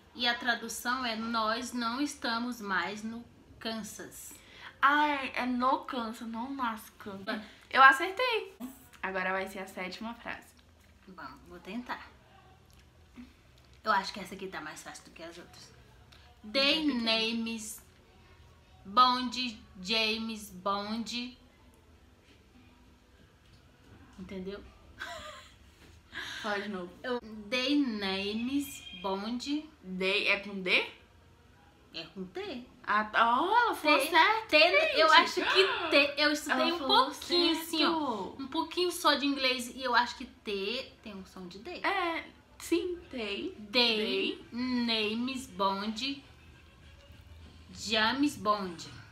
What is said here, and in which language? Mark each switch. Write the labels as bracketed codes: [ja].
[pt] E a tradução é nós não estamos mais no Kansas. Ai, é no Kansas, não nas Kansas. Eu acertei. Agora vai ser a sétima frase. Vamos, vou tentar. Eu acho que essa aqui tá mais fácil do que as outras. [en] They names Bond, James Bond. [pt] Entendeu? Fala de novo. [en] They names Bond. [pt] They é com D? É com T. Ah, oh, ela falou certo. Eu acho que T, eu estudei ela um pouquinho certo. Assim, ó. Um pouquinho só de inglês e eu acho que T tem um som de D. É, sim, tem. [en] They names Bond, James Bond.